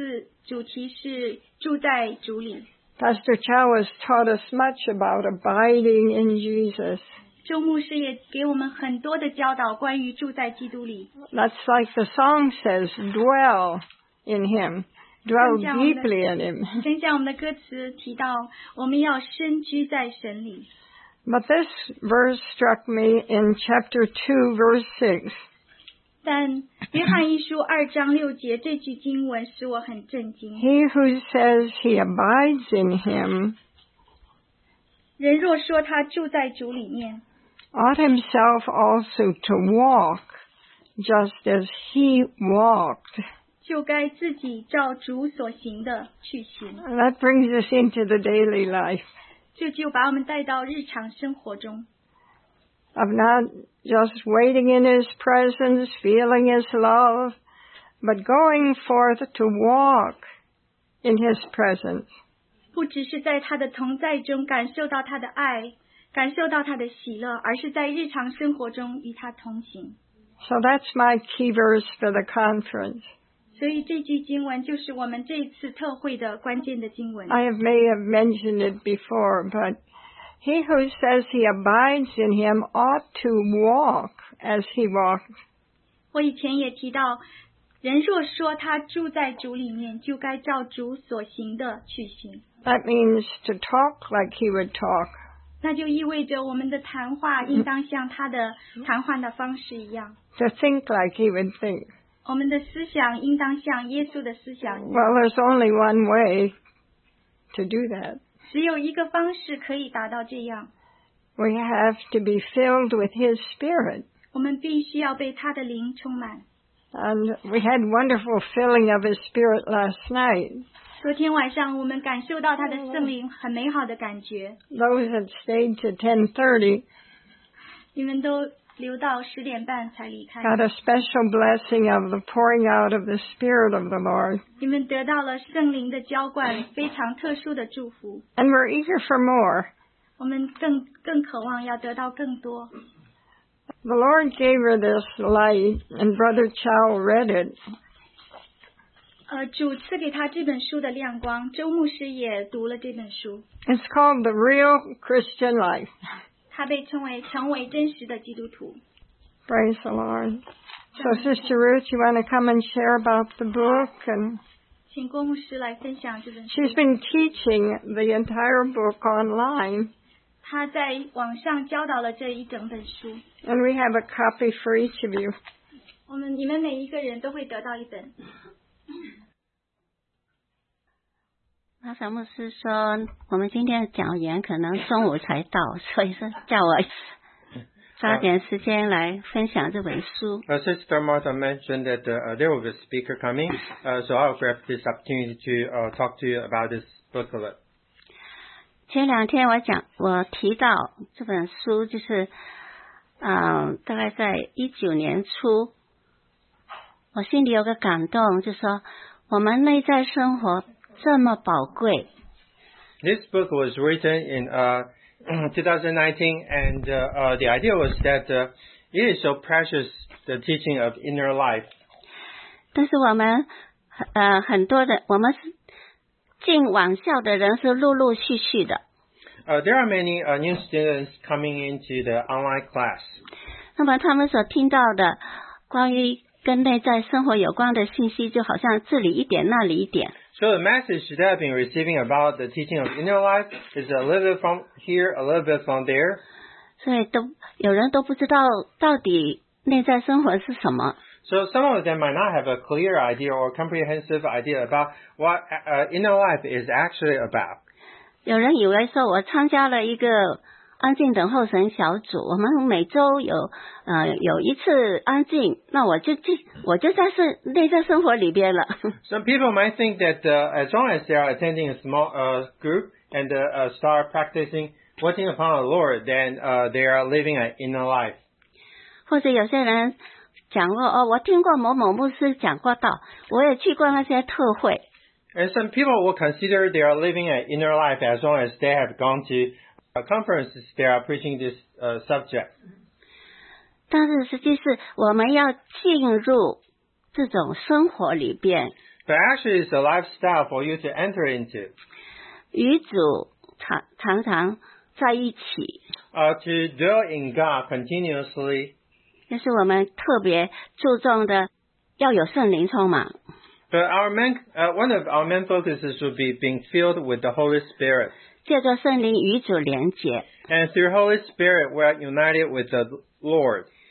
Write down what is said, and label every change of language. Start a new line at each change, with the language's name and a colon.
Chinese: 公牧师提到我们这次主题是住在主里。
English: Pastor Chow has taught us much about abiding in Jesus.
Chinese: 周牧师也给我们很多的教导关于住在基督里。
English: That's like the song says, dwell in him, dwell deeply in him.
Chinese: 正像我们的歌词提到，我们要深居在神里。
English: But this verse struck me in chapter 2, verse 6.
Chinese: 但约翰一书二章六节这句经文使我很震惊。
English: He who says he abides in him,
Chinese: 人若说他住在主里面,
English: ought himself also to walk just as he walked.
Chinese: 就该自己照主所行的去行。
English: That brings us into the daily life.
Chinese: 这就把我们带到日常生活中。
English: Of not just waiting in his presence, feeling his love, but going forth to walk in his presence.
Chinese: 不只是在他的同在中感受到他的爱，感受到他的喜乐，而是在日常生活中与他同行。
English: So that's my key verse for the conference.
Chinese: 所以这句经文就是我们这次特会的关键的经文。
English: I may have mentioned it before, but he who says he abides in him ought to walk as he walked.
Chinese: 我以前也提到，人若说他住在主里面，就该照主所行的去行。
English: That means to talk like he would talk.
Chinese: 那就意味着我们的谈话应当像他的谈话的方式一样。
English: To think like he would think.
Chinese: 我们的思想应当像耶稣的思想。
English: Well, there's only one way to do that.
Chinese: 只有一个方式可以达到这样。
English: We have to be filled with His Spirit.
Chinese: 我们必须要被他的灵充满。
English: And we had wonderful filling of His Spirit last night.
Chinese: 昨天晚上我们感受到他的圣灵很美好的感觉。
English: Those that stayed to 10:30.
Chinese: 你们都。留到十点半才离开。
English: Got a special blessing of the pouring out of the Spirit of the Lord.
Chinese: 你们得到了圣灵的浇灌，非常特殊的祝福。
English: And we're eager for more.
Chinese: 我们更渴望要得到更多。
English: The Lord gave her this light, and Brother Chow read it.
Chinese: 主赐给他这本书的亮光，周牧师也读了这本书。
English: It's called The Real Christian Life.
Chinese: 他被称为成为真实的基督徒。
English: Praise the Lord. So, Sister Ruth, you want to come and share about the book? And
Chinese: 请郭牧师来分享这本书。
English: She's been teaching the entire book online.
Chinese: 她在网上教导了这一整本书。
English: And we have a copy for each of you.
Chinese: 我们你们每一个人都会得到一本。那小牧师说，我们今天的讲员可能中午才到，所以说叫我抓点时间来分享这本书。
English: Sister Martha mentioned that there will be a speaker coming, so I'll grab this opportunity to talk to you about this booklet.
Chinese: 前两天我提到这本书，就是大概在19年初，我心里有个感动，就说我们内在生活。这么宝贵。
English: This book was written in 2019, and the idea was that it is so precious, the teaching of inner life.
Chinese: 但是我们很多的我们进网校的人是陆陆续续的。
English: There are many new students coming into the online class.
Chinese: 那么他们所听到的关于跟内在生活有关的信息，就好像这里一点，那里一点。
English: So the message that I've been receiving about the teaching of inner life is a little bit from here, a little bit from there.
Chinese: 所以都有人都不知道到底内在生活是什么。
English: So some of them might not have a clear idea or comprehensive idea about what inner life is actually about.
Chinese: 有人以为说我参加了一个安静等候神小组，我们每周有一次安静，那我就在是内在生活里边了。
English: Some people might think that as long as they are attending a small group and start practicing waiting upon the Lord, then they are living an inner life.
Chinese: 或者有些人讲过我听过某某牧师讲过道，我也去过那些特会。
English: And some people will consider they are living an inner life as long as they have gone to. Conferences, they are preaching this subject.
Chinese: 但是实际是我们要进入这种生活里边。
English: But actually, it's a lifestyle for you to enter into.
Chinese: 与主常常在一起。
English: To dwell in God continuously.
Chinese: 就是我们特别注重的要有圣灵充满。
English: But one of our main focuses would be being filled with the Holy Spirit.
Chinese: 借着圣灵与主连结。
English: And through Holy Spirit, we're united with the Lord.